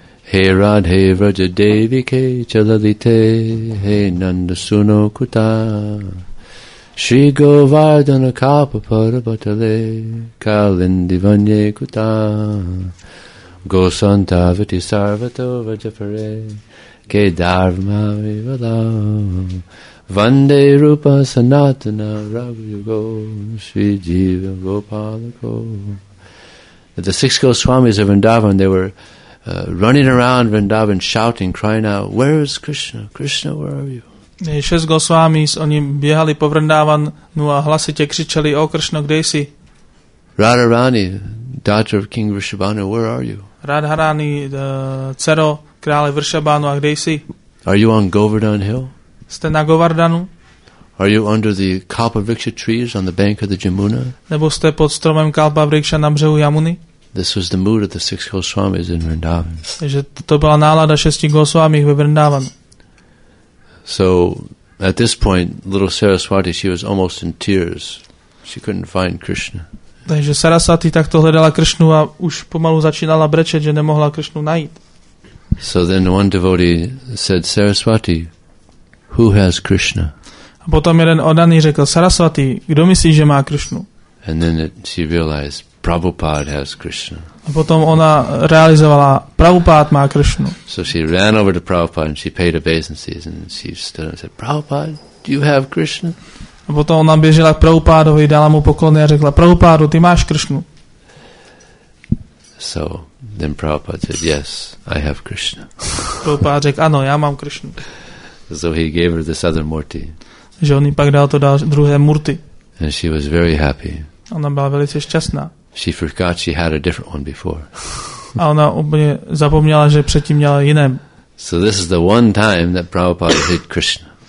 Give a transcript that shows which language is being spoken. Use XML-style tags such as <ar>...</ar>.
<sa>Hey Radhe Vraja Devi Ke Chalalite Hey Nanda Suno Kuta Shri Govardhana Kapa Parabhatale Kalindi Vanye Kuta Gosanta Viti Sarvato Vajapare Ke Dharma Vivala Vande Rupa Sanatana Raghuyugo Shri Jiva Gopalako.</sa> <en>The six Goswamis of Vrindavan, they were running around Vrindavan, shouting, crying out, where is Krishna? Krishna, where are you?</en> <cs>Šest Goswamis, oni běhali po Vrindavanu a hlasitě křičeli, o Krishna, kde jsi?</cs> <en>Radharani, daughter of King Vrishabhanu, where are you?</en> <cs>Radharani, dcero krále Vrishabhanu, a kde jsi?</cs> <en>Are you on Govardhan Hill?</en> <cs>Jste na Govardhanu?</cs> <en>Are you under the Kalpavriksha trees on the bank of the Jamuna?</en> <cs>Nebo jste pod stromem Kalpavriksha na břehu Jamuny?</cs> <en>This was the mood of the six Goswamis in Vrindavan.</en> <cs>Takže to byla nálada šesti Goswami ve Vrindavanu.</cs> <en>So at this point, little Saraswati, she was almost in tears. She couldn't find Krishna.</en> <cs>Takže Sarasvati takto hledala Krishnu a už pomalu začínala brečet, že nemohla Krishnu najít.</cs> <en>So then one devotee said, Saraswati, who has Krishna?</en> <cs>A potom jeden oddaný řekl, Sarasvati, kdo myslí, že má Krishnu?</cs> <en>And then she realized, Prabhupada has Krishna.</en> <cs>A potom ona realizovala, Prabhupada má Krishnu.</cs> <en>So she ran over to Prabhupada and she paid obeisances and she stood and said, Prabhupada, do you have Krishna?</en> <cs>A potom ona běžela k Prabhupádovi, dala mu poklony a řekla, Prabhupádu, ty máš Krishnu?</cs> <en>So then Prabhupada said, yes, I have Krishna.</en> <cs>Prabhupada řekl, ano, já mám Krishnu.</cs> <en>So he gave her this other murti.</en> <cs>Že on jí pak dal to druhé murti.</cs> <en>And she was very happy.</en> <cs>Ona byla velice šťastná.</cs> <en>She forgot she had a different one before.</en> <cs>A ona úplně zapomněla, že předtím měla jiné.</cs> <en>So this is the one time that Prabhupada hit Krishna.</en>